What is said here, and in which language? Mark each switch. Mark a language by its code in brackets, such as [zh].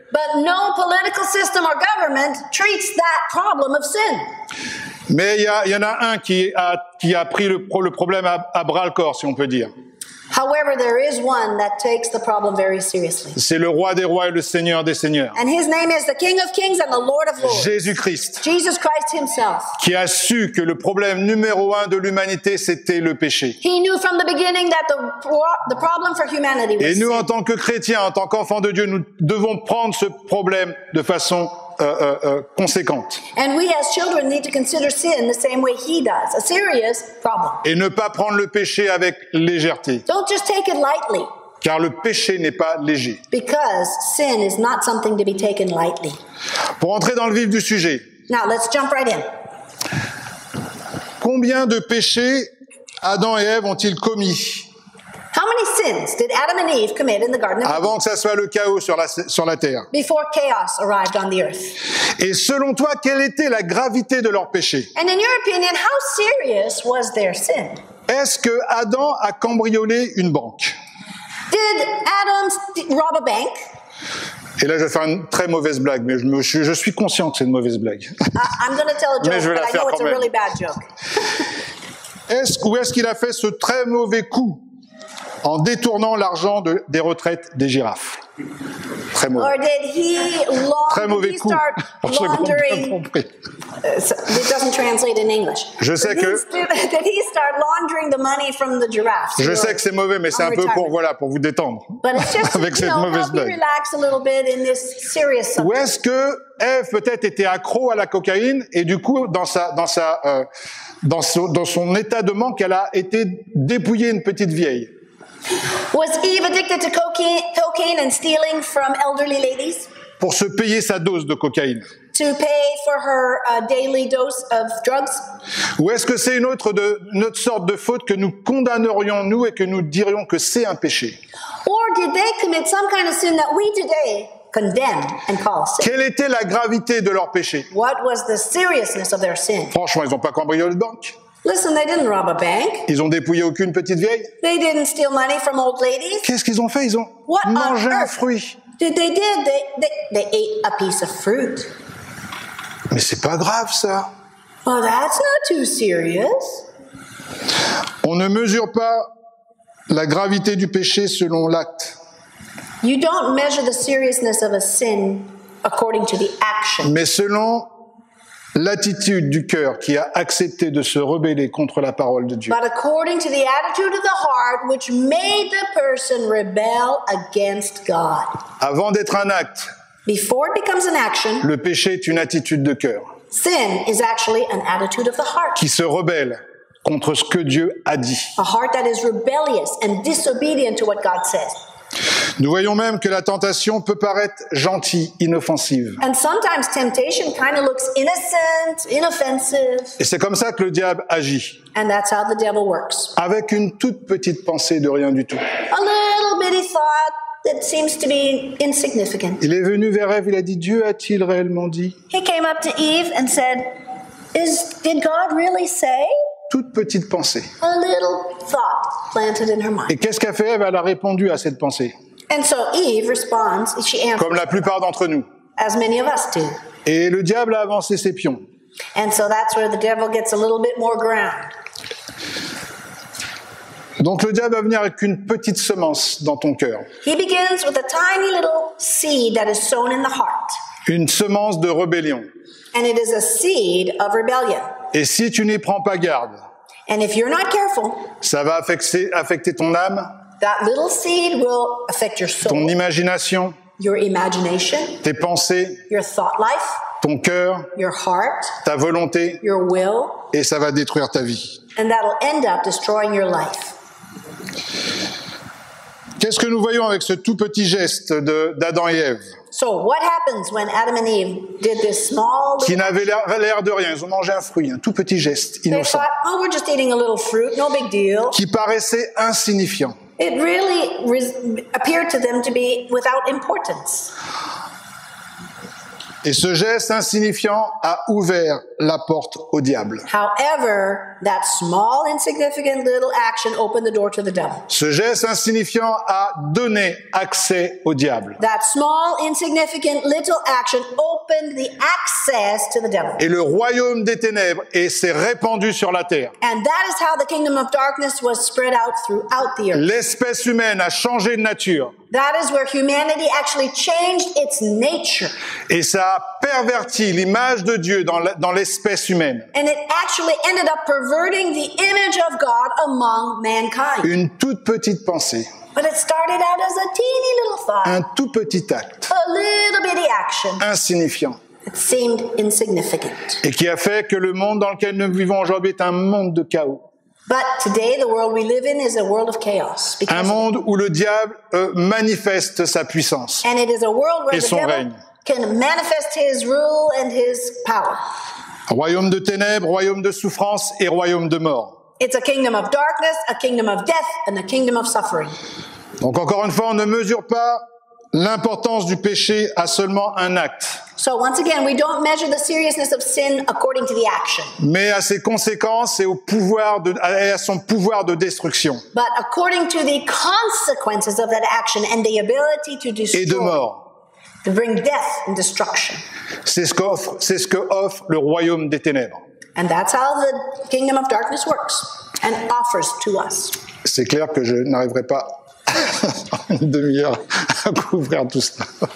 [en] But no political system or government treats that problem of sin. [fr] Mais il y en a un qui a pris le problème à bras le corps, si on peut dire. [en] However, there is one that takes the problem very seriously. [fr] C'est le roi des rois et le seigneur des seigneurs. [en] And his name is the King of Kings and the Lord of Lords. [fr] Jésus-Christ. [en] Jesus Christ himself. [fr] Qui a su que le problème numéro un de l'humanité, c'était le péché. [en] He knew from the beginning that the problem for humanity was [fr] Et nous, [en] sin. [fr] En tant que chrétiens, en tant qu'enfants de Dieu, nous devons prendre ce problème de façon conséquente. [en] And we as children need to consider sin the same way he does, a serious problem. [fr] Et ne pas prendre le péché avec légèreté. [en] Don't just take it lightly. [fr] Car le péché n'est pas léger. [en] Because sin is not something to be taken lightly. [fr] Pour entrer dans le vif du sujet. [en] Now let's jump right in. [fr] Combien de péchés Adam et Ève ont-ils commis? [en] How many sins did Adam and Eve commit in the Garden of Eden? [fr] Avant que ça soit le chaos sur la terre. [en] Before chaos arrived on the earth. [fr] Et selon toi, quelle était la gravité de leur péché? [en] And in your opinion, how serious was their sin? [fr] Est-ce que Adam a cambriolé une banque? [en] Did Adam rob a bank? [fr] Et là, je vais faire une très mauvaise blague, mais je suis conscient que c'est une mauvaise blague. [en] I'm going to tell a joke, [fr] mais je vais la [en] but [fr] faire [en] I know [fr] quand même. [en] A really bad joke. [fr] Est-ce qu'il a fait ce très mauvais coup? En détournant l'argent des retraites des girafes. Très mauvais. [en] Or did he long, [fr] très mauvais coup. Je comprends pas compris. [en] It doesn't translate in English. [fr] Je sais que. [en] Did he start laundering the money from the giraffes? [fr] Je sais que c'est mauvais, mais c'est un peu pour voilà, pour vous détendre. [en] But it's just, [fr] avec [en] you [fr] cette [en] know, [fr] mauvaise blague. [en] Help you relax a little bit in this serious subject. [fr] Où est-ce que Ève peut-être était accro à la cocaïne et du coup dans son état de manque, elle a été dépouillée une petite vieille. [en] Was Eve addicted to cocaine and stealing from elderly ladies? [fr] Pour se payer sa dose de cocaïne. [en] To pay for her daily dose of drugs? [fr] Ou est-ce que c'est une autre sorte de faute que nous condamnerions nous et que nous dirions que c'est un péché? [en] Or did they commit some kind of sin that we today condemn and call sin? [fr] Quelle était la gravité de leur péché? [en] What was the seriousness of their sin? [fr] Franchement, ils n'ont pas cambriolé une banque. [en] Listen, they didn't rob a bank. [fr] Ils ont dépouillé aucune petite vieille. [en] They didn't steal money from old ladies. [fr] Qu'est-ce qu'ils ont fait? Ils ont [en] What [fr] mangé [en] on [fr] un fruit. [en] Did they did? They ate a piece of fruit. [fr] Mais c'est pas grave, ça. [en] Well, that's not too serious. [fr] On ne mesure pas la gravité du péché selon l'acte. [en] You don't measure the seriousness of a sin according to the action. [fr] Mais selon l'attitude du cœur qui a accepté de se rebeller contre la parole de Dieu. [en] But according to the attitude of the heart which made the person rebel against God. [fr] Avant d'être un acte, [en] before it becomes an action, [fr] le péché est une attitude de cœur. [en] Sin is actually an attitude of the heart. [fr] Qui se rebelle contre ce que Dieu a dit. [en] A heart that is rebellious and disobedient to what God says. [fr] Nous voyons même que la tentation peut paraître gentille, inoffensive. [en] And sometimes temptation kind of looks innocent, inoffensive. [fr] Et c'est comme ça que le diable agit. [en] And that's how the devil works. [fr] Avec une toute petite pensée de rien du tout. [en] A little bitty thought that seems to be insignificant. [fr] Il est venu vers Ève, il a dit, Dieu a-t-il réellement dit? [en] He came up to Eve and said, did God really say? [fr] Toute petite pensée. [en] A little thought planted in her mind. [fr] Et qu'est-ce qu'a fait Ève? Elle a répondu à cette pensée. [en] And so Eve responds, she answers, [fr] comme la plupart d'entre nous. [en] As many of us do. [fr] Et le diable a avancé ses pions. [en] And so that's where the devil gets a little bit more ground. [fr] Donc le diable va venir avec une petite semence dans ton cœur. [en] He begins with a tiny little seed that is sown in the heart. [fr] Une semence de rébellion. [en] And it is a seed of rebellion. [fr] Et si tu n'y prends pas garde, [en] and if you're not careful, [fr] ça va affecter ton âme, [en] that little seed will affect your soul, [fr] ton imagination, [en] your imagination, [fr] tes pensées, [en] your thought life, [fr] ton cœur, [en] your heart, [fr] ta volonté, [en] your will, [fr] et ça va détruire ta vie. [en] And that'll end up destroying your life. [fr] Qu'est-ce que nous voyons avec ce tout petit geste d'Adam et Ève? [en] So what happens when Adam and Eve did this small? [fr] Qui n'avait l'air de rien, ils ont mangé un fruit, un tout petit geste innocent. [en] They thought, oh, we're just eating a little fruit, no big deal. [fr] Qui paraissait insignifiant. [en] It really appeared to them to be without importance. [fr] Et ce geste insignifiant a ouvert la porte au diable. [en] However, that small, insignificant little action opened the door to the devil. [fr] Ce geste insignifiant a donné accès au diable. [en] That small, insignificant little action opened the access to the devil. [fr] Et le royaume des ténèbres et s'est répandu sur la terre. [en] And that is how the kingdom of darkness was spread out throughout the earth. [fr] L'espèce humaine a changé de nature. [en] That is where humanity actually changed its nature. [fr] Et ça a perverti l'image de Dieu dans l'espèce humaine. [en] And it actually ended up perverting the image of God among mankind. [fr] Une toute petite pensée. [en] But it started out as a teeny little thought. [fr] Un tout petit acte. [en] A little bitty action. [fr] Insignifiant. [en] It seemed insignificant. [fr] Et qui a fait que le monde dans lequel nous vivons aujourd'hui est un monde de chaos. [en] But today the world we live in is a world of chaos. [fr] Un monde où le diable manifeste sa puissance. [en] And it is a world where the devil can manifest his rule and his power. [fr] Royaume de ténèbres, royaume de souffrance et royaume de mort. [en] It's a kingdom of darkness, a kingdom of death and a kingdom of suffering. [fr] Donc encore une fois, on ne mesure pas l'importance du péché à seulement un acte. [en] So once again, we don't measure the seriousness of sin according to the action. [fr] Mais à ses conséquences et au pouvoir et à son pouvoir de destruction. [en] But according to the consequences of that action and the ability to destroy. [fr] Et de mort. [en] To bring death and destruction. [fr] C'est ce qu'offre le royaume des ténèbres. [en] And that's how the kingdom of darkness works and offers to us. [fr] C'est clair que je n'arriverai pas une demi-heure à couvrir tout ça.